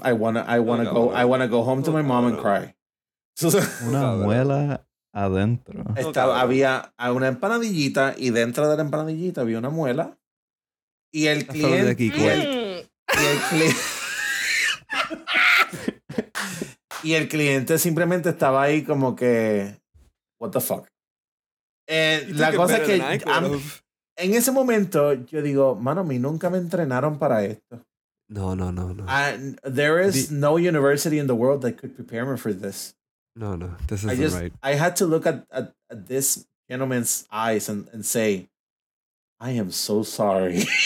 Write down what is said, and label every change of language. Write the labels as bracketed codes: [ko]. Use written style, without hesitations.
[en] I wanna go home to my mom and cry. [es] Una muela adentro. Había una empanadillita y dentro de la empanadillita había una muela. Y el cliente. Y el cliente simplemente estaba ahí como que. [en] What the fuck? [es] La cosa es que en ese momento yo digo, mano, a mí nunca me entrenaron para esto. No. [en] There is no university in the world that could prepare me for this. No, this isn't right. I had to look at this gentleman's eyes and say, I am so sorry.